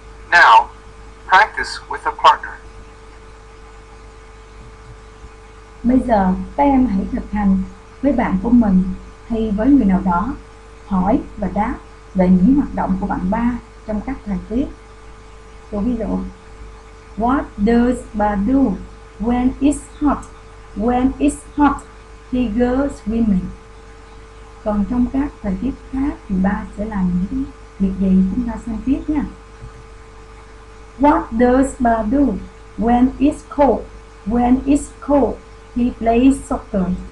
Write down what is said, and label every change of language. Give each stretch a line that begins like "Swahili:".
English: Now, practice with a partner.
Vietnamese: Bây giờ các em hãy thực hành với bạn của mình hay với người nào đó, hỏi và đáp về những hoạt động của bạn ba trong các thời tiết. Tôi ví dụ,
English: what does ba do when it's hot? When it's hot, he goes swimming.
Vietnamese: Còn trong các thời tiết khác thì ba sẽ làm những việc gì, chúng ta xem tiếp nha.
English: What does ba do when it's cold? When it's cold, he plays soccer.